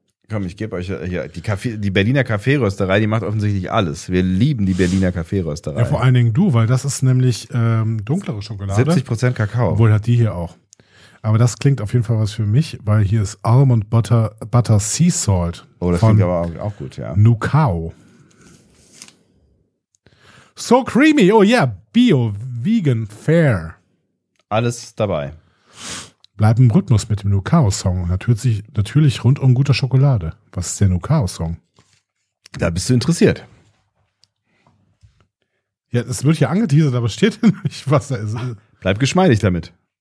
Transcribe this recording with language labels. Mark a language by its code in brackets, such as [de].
[de] Komm, ich gebe euch hier die, die Berliner Kaffeerösterei, die macht offensichtlich alles. Wir lieben die Berliner Kaffeerösterei. Ja, vor allen Dingen du, weil das ist nämlich dunklere Schokolade. 70% Kakao. Obwohl, hat die hier auch. Aber das klingt auf jeden Fall was für mich, weil hier ist Almond Butter Sea Salt. Oh, das klingt aber auch gut, ja. Nukao. [en] So creamy, oh yeah, bio, vegan, fair. [de] Alles dabei. Bleib im Rhythmus mit dem Nukao-Song. Natürlich rund um guter Schokolade. Was ist der Nukao-Song? Da bist du interessiert. Ja, es wird hier angeteasert, aber steht hier nicht, was da ist. Bleib geschmeidig damit.